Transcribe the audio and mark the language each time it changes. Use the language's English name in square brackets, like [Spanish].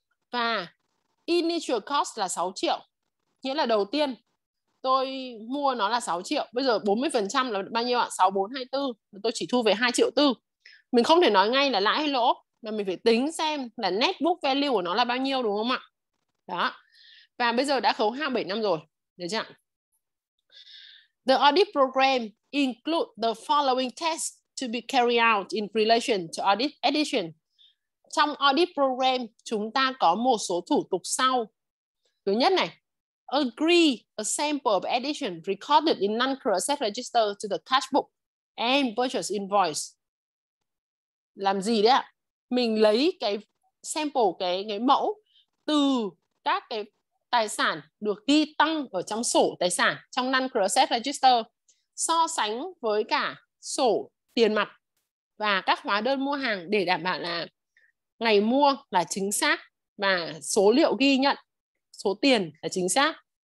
[Vietnamese] Và initial cost là 6 triệu. Nghĩa là đầu tiên tôi mua nó là 6 triệu. Bây giờ 40% là bao nhiêu ạ? 6,4,24. Tôi chỉ thu về 2 triệu 4. Mình không thể nói ngay là lãi hay lỗ. Mà mình phải tính xem là net book value của nó là bao nhiêu, đúng không ạ? Đó. Và bây giờ đã khấu hao 7 năm rồi. Được chưa ạ? [English] The audit program include the following tests to be carried out in relation to audit addition. [Vietnamese] Trong audit program, chúng ta có một số thủ tục sau. Thứ nhất này, [English] agree a sample of addition recorded in non-current asset register to the cash book and purchase invoice. [Vietnamese] Làm gì đấy ạ? Mình lấy cái sample, cái mẫu từ các cái tài sản được ghi tăng ở trong sổ tài sản trong non-current asset register so sánh với cả sổ tiền mặt và các hóa đơn mua hàng để đảm bảo là ngày mua là chính xác và số liệu ghi nhận số tiền là chính xác.